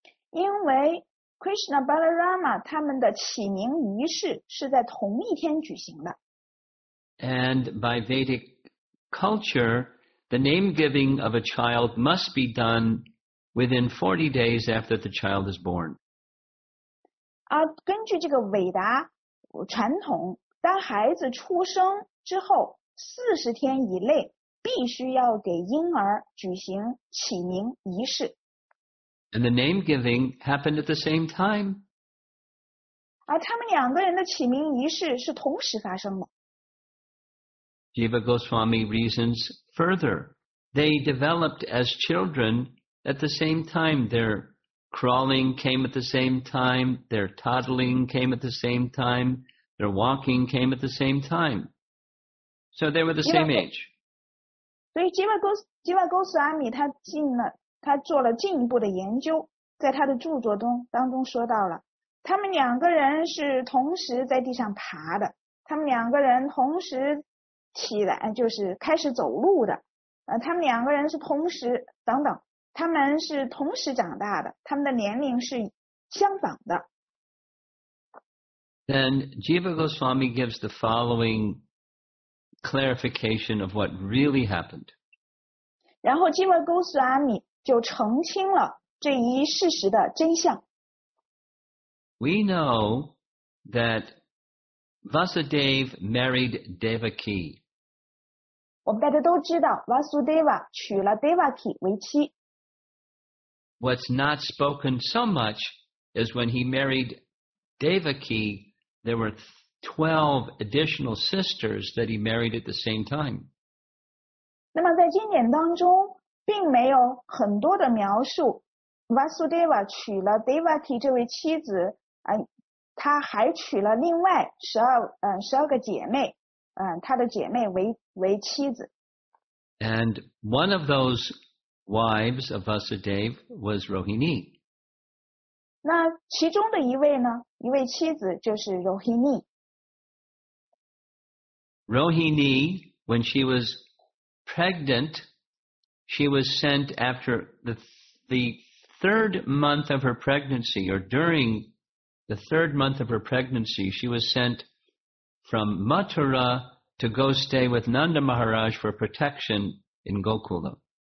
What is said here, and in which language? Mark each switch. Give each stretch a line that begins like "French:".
Chinese: 因为 Krishna Balarama 他们的起名仪式是在同一天举行的。
English: And by Vedic culture, the name giving of a child must be done within 40 days after the child is born.
Chinese: 根据这个韦达传统，当孩子出生之后40天以内必须要给婴儿举行起名仪式。
English: And the name giving happened at the same time.
Chinese: 他们两个人的起名仪式是同时发生的。
English: Jiva Goswami reasons further. They developed as children at the same time. They're... Crawling came at the same time, their toddling came at the same time, their walking came at the same time. So they were the same age.
Chinese: 所以 Jiva Goswami 他做了进一步的研究，在他的著作当中说到了，他们两个人是同时在地上爬的，他们两个人同时起来，就是开始走路的，他们两个人是同时等等。他们是同时长大的，他们的年龄是相仿的。
English: Then Jiva Goswami gives the following clarification of what really happened.
Chinese: 然后 Jiva Goswami 就澄清了这一事实的真相。
English: We know that Vasudev married Devaki.
Chinese: 我们大家都知道 Vasudeva 娶了 Devaki 为妻。
English: What's not spoken so much is when he married Devaki, there were 12 additional sisters that he married at the same time.
Chinese: 那么在经典当中并没有很多的描述 Vasudeva 娶了 Devaki 这位妻子，他还娶了另外十二个姐妹，他的姐妹为妻子。
English: And one of those wives of Vasudeva was Rohini.
Chinese: 那其中的一位呢？一位妻子就是 Rohini。
English: Rohini, when she was pregnant, she was sent after the third month of her pregnancy, or during the third month of her pregnancy, she was sent from Mathura to go stay with Nanda Maharaj for protection in Gokulam.